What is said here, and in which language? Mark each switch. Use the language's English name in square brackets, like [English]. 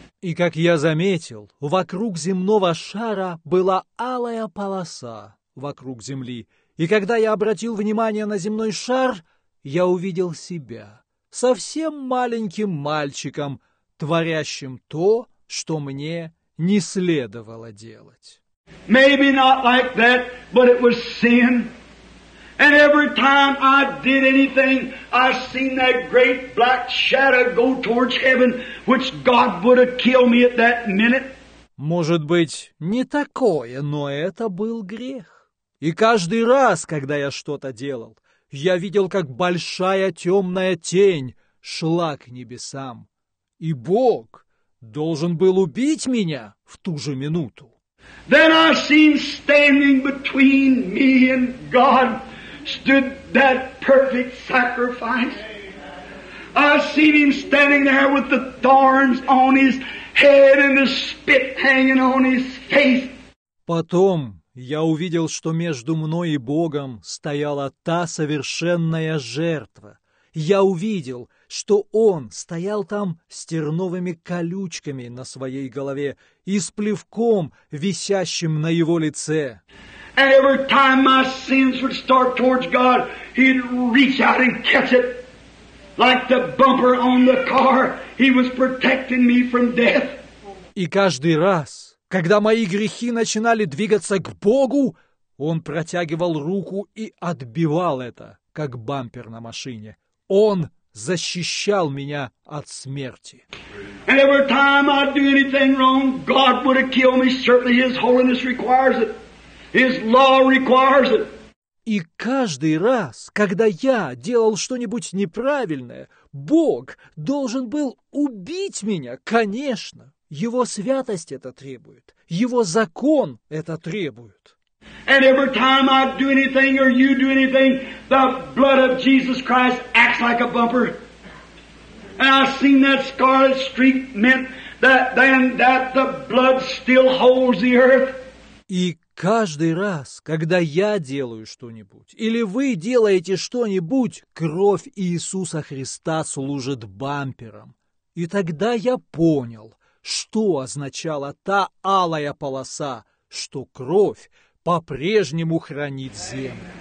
[Russian] И как я заметил, вокруг земного шара была алая полоса вокруг земли. И когда я обратил внимание на земной шар, я увидел себя совсем маленьким мальчиком, творящим то, что мне не следовало делать. [English] Maybe not like that, but it was sin. And every time I did anything, I seen that great black shadow go towards heaven, which God would have killed me at that minute. [Russian] Может быть, не такое, но это был грех. И каждый раз, когда я что-то делал, я видел, как большая темная тень шла к небесам. И Бог должен был убить меня в ту же минуту. [English] Then I seen standing between me and God stood that perfect sacrifice. I seen him standing there with the thorns on his head and the spit hanging on his face. [Russian] Потом я увидел, что между мной и Богом стояла та совершенная жертва. Я увидел, что он стоял там с терновыми колючками на своей голове и с плевком, висящим на его лице. [English] Every time my sins would start towards God, he'd reach out and catch it. Like the bumper on the car, he was protecting me from death. [Russian] И каждый раз, когда мои грехи начинали двигаться к Богу, он протягивал руку и отбивал это, как бампер на машине. Он защищал меня от смерти. [English] And every time I'd do anything wrong, God would have killed me. Certainly His holiness requires it. His law requires it. [Russian] И каждый раз, когда я делал что-нибудь неправильное, Бог должен был убить меня, конечно. Его святость это требует. Его закон это требует. [English] And every time I do anything or you do anything, the blood of Jesus Christ acts like a bumper. And I've seen that scarlet streak meant that then that the blood still holds the earth. [Russian] И каждый раз, когда я делаю что-нибудь, или вы делаете что-нибудь, кровь Иисуса Христа служит бампером. И тогда я понял, что означала та алая полоса, что кровь по-прежнему хранит землю.